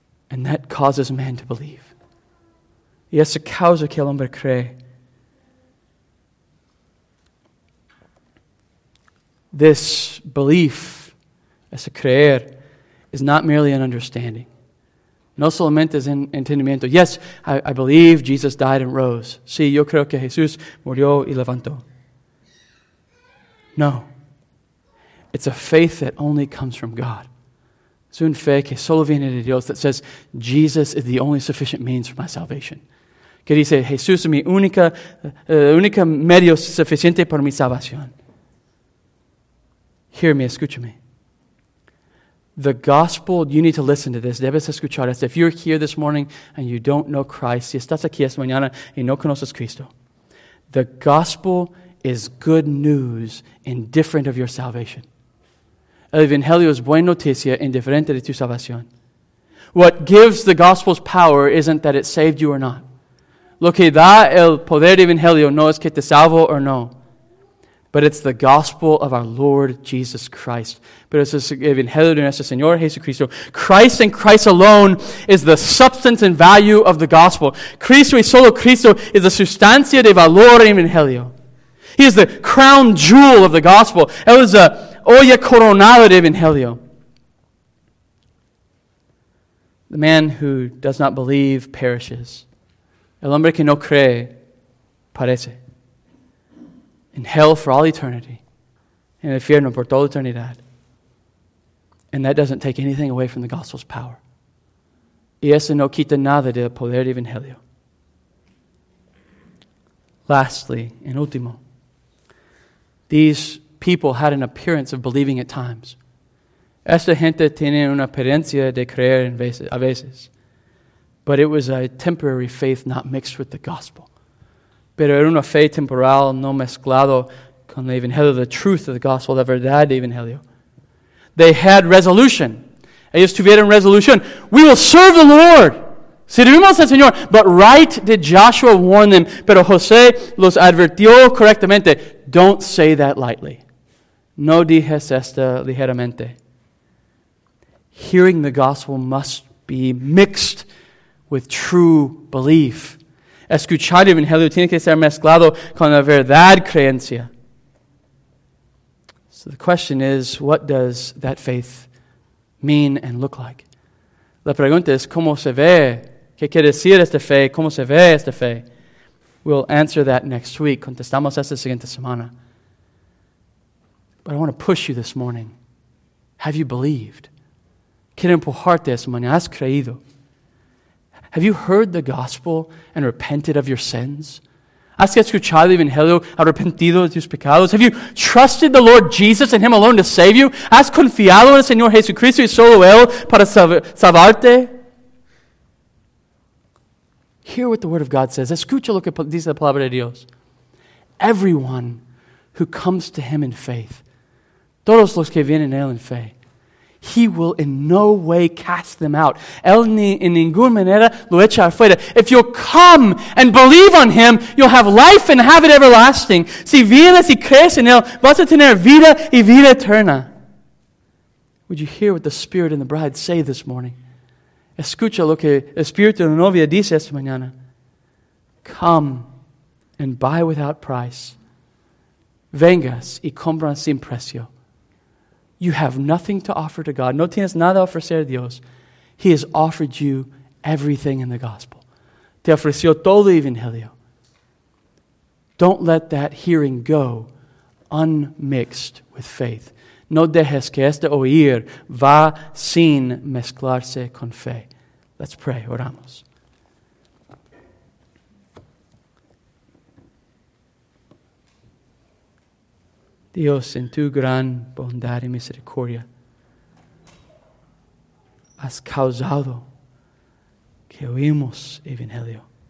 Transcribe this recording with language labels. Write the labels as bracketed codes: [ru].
[en] And that causes man to believe. [es] Y esa causa que el hombre cree. [en] This belief, [es] ese creer, [en] is not merely an understanding. [es] No solamente es entendimiento. [en] Yes, I believe Jesus died and rose. [es] Sí, yo creo que Jesús murió y levantó. No. [en] It's a faith that only comes from God. [es] Es una fe que solo viene de Dios [en] that says, Jesus is the only sufficient means for my salvation. [es] Que dice, Jesús es mi única medio suficiente para mi salvación. [en] Hear me, [es] escúchame. [en] The gospel, you need to listen to this. [es] Debes escuchar esto. [en] If you're here this morning and you don't know Christ, [es] si estás aquí esta mañana y no conoces Cristo, [en] the gospel is good news indifferent of your salvation. [es] El Evangelio es buena noticia indiferente de tu salvación. [en] What gives the gospel's power isn't that it saved you or not. [es] Lo que da el poder del Evangelio no es que te salvo o no. [en] But it's the gospel of our Lord Jesus Christ. [es] Pero es el Evangelio de nuestro Señor Jesucristo. [en] Christ and Christ alone is the substance and value of the gospel. [es] Cristo y solo Cristo [en] is the [es] sustancia de valor del Evangelio. [en] He is the crown jewel of the gospel. It was a Oye coronado de Evangelio. The man who does not believe perishes. [es] El hombre que no cree perece. [en] In hell for all eternity. [es] En el infierno por toda eternidad. [en] And that doesn't take anything away from the gospel's power. [es] Y eso no quita nada del poder de Evangelio. [en] Lastly, [es] en último, [en] these people had an appearance of believing at times. [es] Esta gente tiene una apariencia de creer a veces. [en] But it was a temporary faith not mixed with the gospel. [es] Pero era una fe temporal no mezclado con el Evangelio, [en] the truth of the gospel, [es] la verdad del Evangelio. [en] They had resolution. [es] Ellos tuvieron resolution. [en] We will serve the Lord. [es] Servimos al Señor. [en] But right did Joshua warn them. [es] Pero José los advirtió correctamente. [en] Don't say that lightly. [es] No dijes esta ligeramente. [en] Hearing the gospel must be mixed with true belief. [es] Escuchar el Evangelio tiene que ser mezclado con la verdad creencia. [en] So the question is, what does that faith mean and look like? [es] La pregunta es, ¿cómo se ve? ¿Qué quiere decir esta fe? ¿Cómo se ve esta fe? [en] We'll answer that next week. [es] Contestamos esta siguiente semana. [en] But I want to push you this morning. Have you believed? [es] ¿Quieres empujarte esta mañana? ¿Has creído? [en] Have you heard the gospel and repented of your sins? [es] ¿Has escuchado el Evangelio? ¿Has arrepentido de tus pecados? [en] Have you trusted the Lord Jesus and Him alone to save you? [es] ¿Has confiado en el Señor Jesucristo y solo Él para salvarte? [en] Hear what the Word of God says. [es] Escucha lo que dice la palabra de Dios. [en] Everyone who comes to Him in faith [es] Todos los que vienen a él en fe. [en] He will in no way cast them out. [es] Él ni en ninguna manera lo echa afuera. [en] If you'll come and believe on him, you'll have life and have it everlasting. [es] Si vienes y crees en él, vas a tener vida y vida eterna. [en] Would you hear what the Spirit and the Bride say this morning? [es] Escucha lo que el Espíritu de la novia dice esta mañana. [en] Come and buy without price. [es] Vengas y compra sin precio. [en] You have nothing to offer to God. [es] No tienes nada a ofrecer a Dios. [en] He has offered you everything in the gospel. [es] Te ofreció todo el evangelio. [en] Don't let that hearing go unmixed with faith. [es] No dejes que este oír va sin mezclarse con fe. [en] Let's pray. [es] Oramos. Dios, en tu gran bondad y misericordia, has causado que oímos el evangelio.